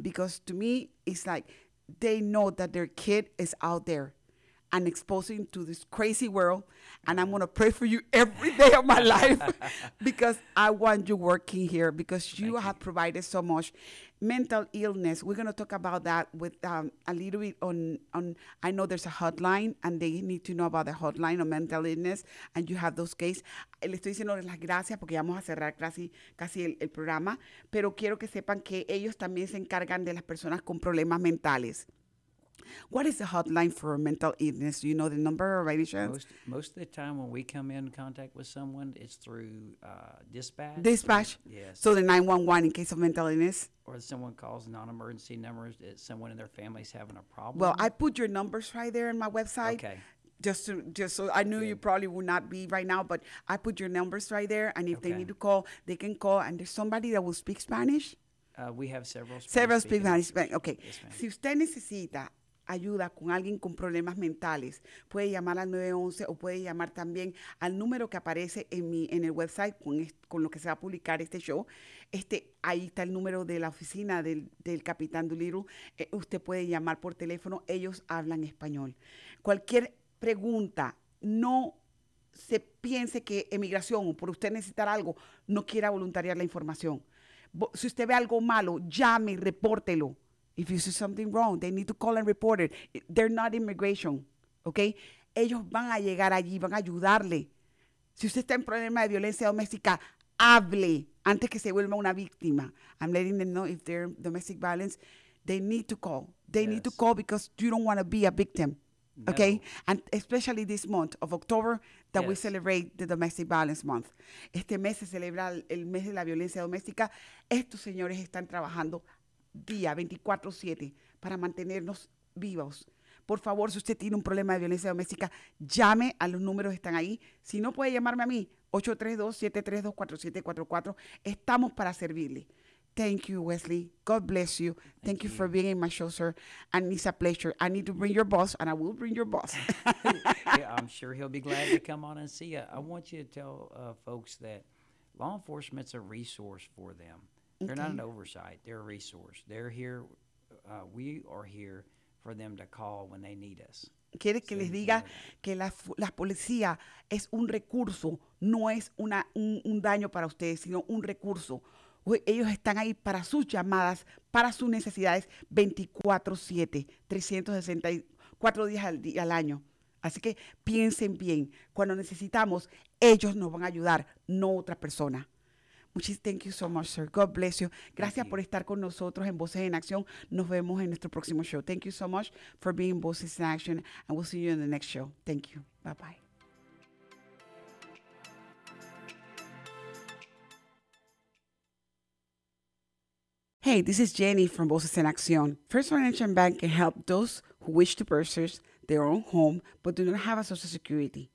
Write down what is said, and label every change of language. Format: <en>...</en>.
<en>Because to me, it's like they know that their kid is out there and exposing to this crazy world, and I'm going to pray for you every day of my life because I want you working here because you have provided so much. Mental illness, we're going to talk about that with a little bit on. I know there's a hotline, and they need to know about the hotline on mental illness, and you have those cases.</en> <es>Le estoy diciendo las gracias porque ya vamos a cerrar casi el programa, pero quiero que sepan que ellos también se encargan de las personas con problemas mentales.</es> <en>What is the hotline for mental illness? Do you know the number or any chance? Most of the time when we come in contact with someone, it's through dispatch. Dispatch? Yes. So the 911 in case of mental illness? Or someone calls non-emergency numbers if someone in their family's having a problem. Well, I put your numbers right there on my website. Okay. Just so I knew you probably would not be right now, but I put your numbers right there. And if they need to call, they can call. And there's somebody that will speak Spanish? We have several Spanish. Okay. Yes, ma'am.</en> <es>Si usted necesita ayuda con alguien con problemas mentales, puede llamar al 911 o puede llamar también al número que aparece en el website con lo que se va a publicar este show. Ahí está el número de la oficina del Capitán Doolittle. Usted puede llamar por teléfono. Ellos hablan español. Cualquier pregunta, no se piense que emigración o por usted necesitar algo, no quiera voluntariar la información. Si usted ve algo malo, llame, repórtelo.</es> <en>If you see something wrong, they need to call and report it. They're not immigration, okay?</en> <es>Ellos van a llegar allí, van a ayudarle. Si usted está en problema de violencia doméstica, hable antes que se vuelva una víctima.</es> <en>I'm letting them know if they're domestic violence, they need to call. They need to call because you don't want to be a victim, okay? And especially this month of October that we celebrate the Domestic Violence Month.</en> <es>Este mes se celebra el mes de la violencia doméstica. Estos señores están trabajando día 24/7 para mantenernos vivos. Por favor, si usted tiene un problema de violencia doméstica, llame a los números que están ahí. Si no puede llamarme a mí, 832-732-4744. Estamos para servirle.</es> <en>Thank you, Wesley. God bless you. Thank you for being in my show, sir. And it's a pleasure. I need to bring your boss, and I will bring your boss. Yeah, I'm sure he'll be glad to come on and see you. I want you to tell folks that law enforcement's a resource for them. They're not an oversight. They're a resource. They're here. We are here for them to call when they need us.</en> <es>¿Quieres que les diga que la policía es un recurso, no es un daño para ustedes, sino un recurso? ellos están ahí para sus llamadas, para sus necesidades 24/7, 364 días al año. Así que piensen bien, cuando necesitamos, ellos nos van a ayudar, no otra persona.</es> <en>Thank you so much, sir. God bless you.</en> <es>Gracias por estar con nosotros en Voces en Acción. Nos vemos en nuestro próximo show.</es> <en>Thank you so much for being Voces in Action. And we'll see you in the next show. Thank you. Bye-bye. Hey, this is Jenny from Voces en Acción. First Financial Bank can help those who wish to purchase their own home but do not have a Social Security.</en>